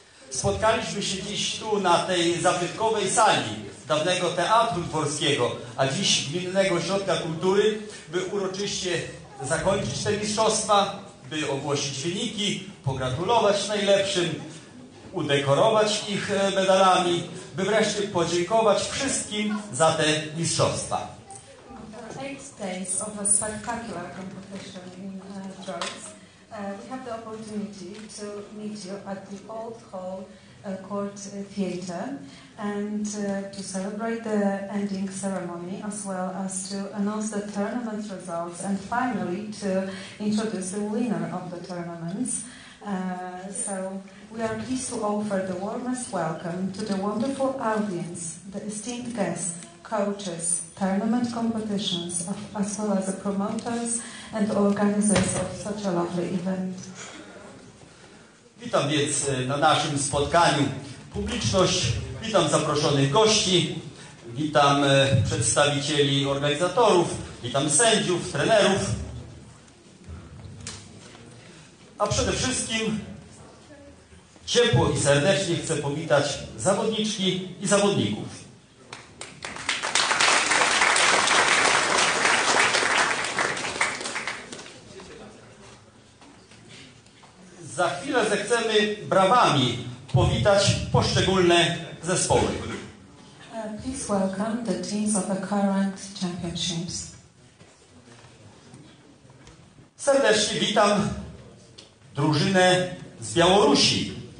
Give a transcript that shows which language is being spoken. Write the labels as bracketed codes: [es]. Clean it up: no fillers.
[pl] Spotkaliśmy się dziś tu na tej zabytkowej sali dawnego Teatru Dworskiego, a dziś Gminnego Ośrodka Kultury, by uroczyście zakończyć te mistrzostwa, by ogłosić wyniki, pogratulować najlepszym, udekorować ich medalami, by wreszcie podziękować wszystkim za te mistrzostwa. [en] 8 days of a spectacular competition in drugs. We have the opportunity to meet you at the Old Hall Court Theater and to celebrate the ending ceremony, as well as to announce the tournament results and finally to introduce the winner of the tournaments. So we are pleased to offer the warmest welcome to the wonderful audience, the esteemed guests, coaches, tournament competitions, as well as the promoters and organizers of such a lovely event. [pl] Witam więc na naszym spotkaniu publiczność, witam zaproszonych gości, witam przedstawicieli organizatorów, witam sędziów, trenerów, a przede wszystkim ciepło i serdecznie chcę powitać zawodniczki i zawodników. Za chwilę zechcemy brawami powitać poszczególne zespoły. [en] Please welcome the teams of the current championships. [pl] Serdecznie witam drużynę z Białorusi.